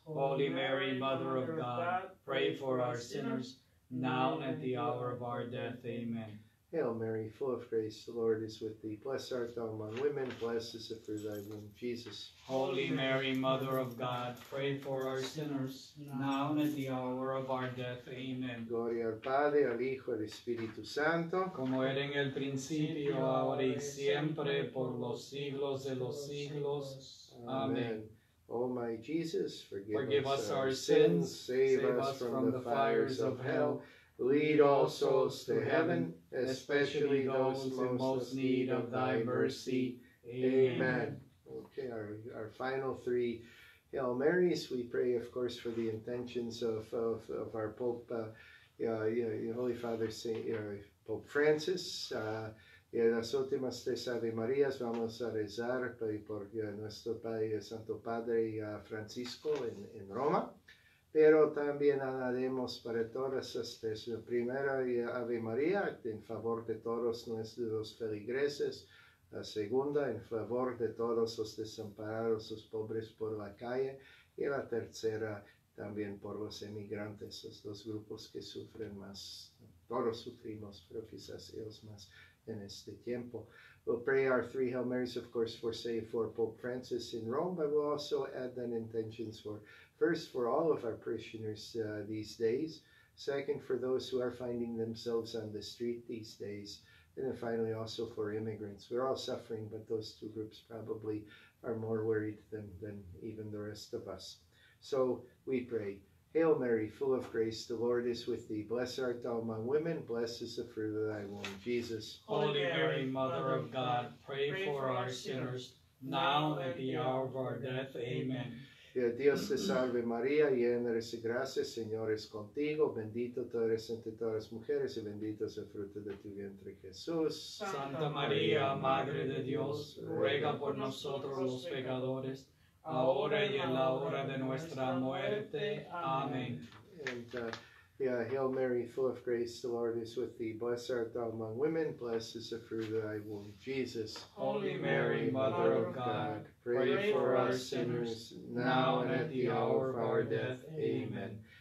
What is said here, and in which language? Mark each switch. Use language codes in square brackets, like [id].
[en] Holy Mary, Mother of God, pray for our sinners, now and at the hour of our death. Amen. Hail Mary, full of grace, the Lord is with thee. Blessed art thou among women, blessed is the fruit of thy womb, Jesus. Holy Mary, Mother of God, pray for our sinners, now and at the hour of our death. Amen. [es] Gloria al Padre, al Hijo, al Espíritu Santo. Como era en el principio, ahora y siempre, por los siglos de los siglos. Amen. [en] O my Jesus, forgive us our sins, save us from the fires of hell, lead all souls to heaven, especially those in most need of thy mercy. Amen. Okay, our final three Hail Marys. We pray, of course, for the intentions of our Pope, Holy Father, Pope Francis. [es] Y las últimas tres Ave Marías vamos a rezar por nuestro Padre, Santo Padre Francisco en Roma. Pero también haremos para todas las tres. Primera Ave María en favor de todos nuestros feligreses. La segunda en favor de todos los desamparados, los pobres por la calle. Y la tercera también por los emigrantes, los dos grupos que sufren más. Todos sufrimos, pero quizás ellos más. In este tiempo. [en] We'll pray our three Hail Marys, of course, for Pope Francis in Rome, but we'll also add then intentions for all of our parishioners these days, second, for those who are finding themselves on the street these days, and then finally also for immigrants. We're all suffering, but those two groups probably are more worried than even the rest of us. So we pray. Hail Mary, full of grace, the Lord is with thee. Blessed art thou among women, blessed is the fruit of thy womb, Jesus. Holy Mary, Mother of God, pray for our sinners, now and at the hour of our death. Amen. [es] Dios te salve, María, llena eres de gracia, Señor es contigo. Bendito tú eres entre todas las mujeres, y bendito es el fruto de tu vientre, Jesús. Santa María, Madre de Dios, ruega por nosotros los pecadores, ahora y en la hora de nuestra muerte. Amén. [en] And, Hail Mary, full of grace, the Lord is with thee. Blessed art thou among women, blessed is the fruit of thy womb, Jesus. Holy Mary, Mother of God, pray for us sinners, now and at the hour of our death. Amen.